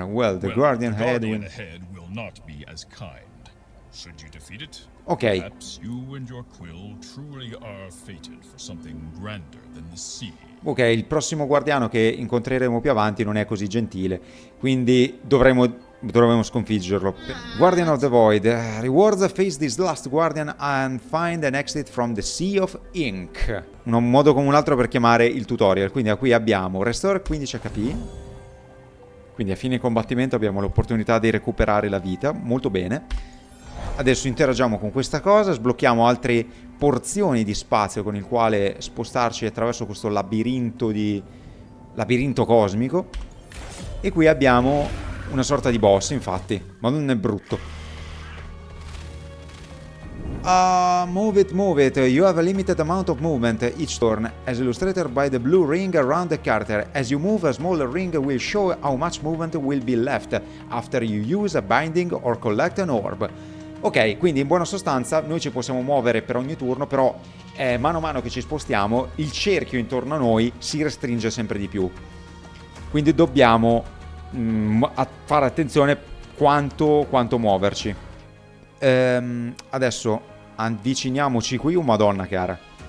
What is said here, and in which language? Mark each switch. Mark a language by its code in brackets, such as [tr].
[en] Well, the guardian head will not be as kind. Should you defeat it? Ok. You and your quill truly are fated for something grander than the sea. [it] Ok, il prossimo guardiano che incontreremo più avanti non è così gentile, quindi dovremo sconfiggerlo. [en] Guardian of the Void. Rewards face this last guardian and find an exit from the Sea of Ink. [it] Un modo come un altro per chiamare il tutorial. Quindi qui abbiamo Restore 15 HP. Quindi a fine combattimento abbiamo l'opportunità di recuperare la vita. Molto bene. Adesso interagiamo con questa cosa, sblocchiamo altre porzioni di spazio con il quale spostarci attraverso questo labirinto cosmico. E qui abbiamo una sorta di boss, infatti. Ma non è brutto. [en] Move it. You have a limited amount of movement each turn, as illustrated by the blue ring around the character. As you move, a smaller ring will show how much movement will be left after you use a binding or collect an orb. [it] Ok, quindi in buona sostanza noi ci possiamo muovere per ogni turno, però mano a mano che ci spostiamo il cerchio intorno a noi si restringe sempre di più. Quindi dobbiamo fare attenzione quanto muoverci. Adesso avviciniamoci qui, oh madonna cara.